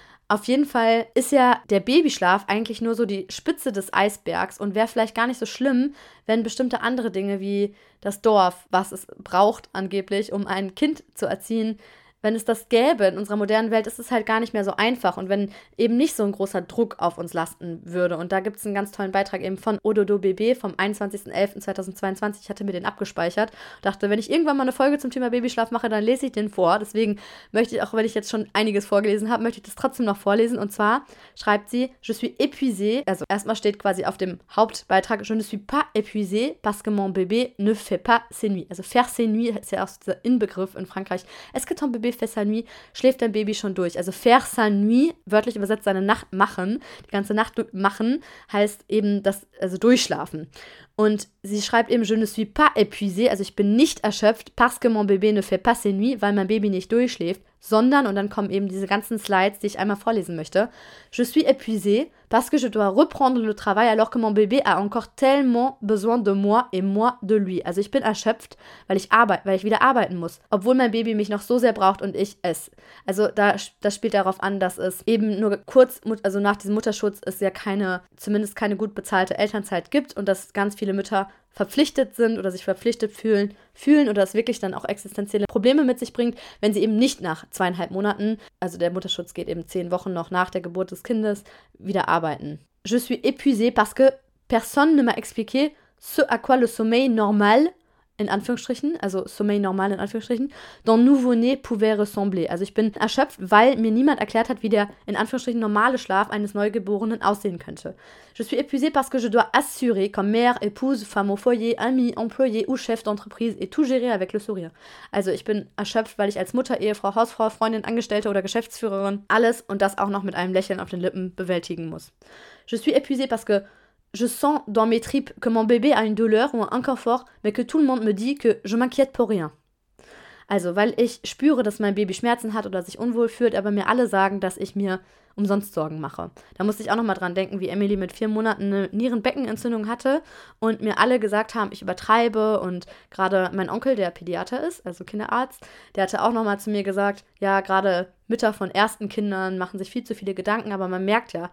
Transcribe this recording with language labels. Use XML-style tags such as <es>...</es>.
<de>Auf jeden Fall ist ja der Babyschlaf eigentlich nur so die Spitze des Eisbergs und wäre vielleicht gar nicht so schlimm, wenn bestimmte andere Dinge wie das Dorf, was es braucht angeblich, um ein Kind zu erziehen, wenn es das gäbe in unserer modernen Welt, ist es halt gar nicht mehr so einfach und wenn eben nicht so ein großer Druck auf uns lasten würde. Und da gibt es einen ganz tollen Beitrag eben von Ododo BB vom 21.11.2022. Ich hatte mir den abgespeichert, dachte, wenn ich irgendwann mal eine Folge zum Thema Babyschlaf mache, dann lese ich den vor. Deswegen möchte ich, auch wenn ich jetzt schon einiges vorgelesen habe, möchte ich das trotzdem noch vorlesen. Und zwar schreibt sie,</de> <fr>je suis épuisée,</fr> <de>also erstmal steht quasi auf dem Hauptbeitrag,</de> <fr>je ne suis pas épuisée parce que mon bébé ne fait pas ses nuits.</fr> <de>Also</de> <fr>faire ses nuits</fr> <de>ist ja auch so dieser Inbegriff in Frankreich.</de> <fr>Est-ce que ton bébé fait sa nuit,</fr> <de>schläft dein Baby schon durch. Also</de> <fr>faire sa nuit,</fr> <de>wörtlich übersetzt seine Nacht machen, die ganze Nacht machen, heißt eben das, also durchschlafen. Und sie schreibt eben,</de> <fr>je ne suis pas épuisé,</fr> <de>also ich bin nicht erschöpft,</de> <fr>parce que mon bébé ne fait pas ses nuits,</fr> <de>weil mein Baby nicht durchschläft, sondern, und dann kommen eben diese ganzen Slides, die ich einmal vorlesen möchte,</de> <fr>je suis épuisé, parce que je dois reprendre le travail, alors que mon bébé a encore tellement besoin de moi et moi de lui.</fr> <de>Also ich bin erschöpft, weil ich wieder arbeiten muss, obwohl mein Baby mich noch so sehr braucht und ich es. Also das spielt darauf an, dass es eben nur kurz, also nach diesem Mutterschutz, es ja zumindest keine gut bezahlte Elternzeit gibt und dass ganz viele Mütter verpflichtet sind oder sich verpflichtet fühlen oder es wirklich dann auch existenzielle Probleme mit sich bringt, wenn sie eben nicht nach 2,5 Monaten, also der Mutterschutz geht eben 10 Wochen noch nach der Geburt des Kindes, wieder arbeiten.</de> <fr>Je suis épuisée parce que personne ne m'a expliqué ce à quoi le sommeil normal,</fr> <de>in Anführungsstrichen, also</de> <fr>sommeil normal</fr> <de>in Anführungsstrichen,</de> <fr>dans nouveau-né pouvait ressembler.</fr> <de>Also ich bin erschöpft, weil mir niemand erklärt hat, wie der in Anführungsstrichen normale Schlaf eines Neugeborenen aussehen könnte.</de> <fr>Je suis épuisée parce que je dois assurer comme mère, épouse, femme au foyer, amie, employée ou chef d'entreprise et tout gérer avec le sourire.</fr> <de>Also ich bin erschöpft, weil ich als Mutter, Ehefrau, Hausfrau, Freundin, Angestellte oder Geschäftsführerin alles und das auch noch mit einem Lächeln auf den Lippen bewältigen muss.</de> <fr>Je suis épuisée parce que je sens dans mes tripes que mon bébé a une douleur ou un inconfort, mais que tout le monde me dit que je m'inquiète pour rien.</fr> <de>Also, weil ich spüre, dass mein Baby Schmerzen hat oder sich unwohl fühlt, aber mir alle sagen, dass ich mir umsonst Sorgen mache. Da musste ich auch nochmal dran denken, wie Emily mit 4 Monaten eine Nierenbeckenentzündung hatte und mir alle gesagt haben, ich übertreibe und gerade mein Onkel, der Pädiater ist, also Kinderarzt, der hatte auch nochmal zu mir gesagt, ja, gerade Mütter von ersten Kindern machen sich viel zu viele Gedanken, aber man merkt</de>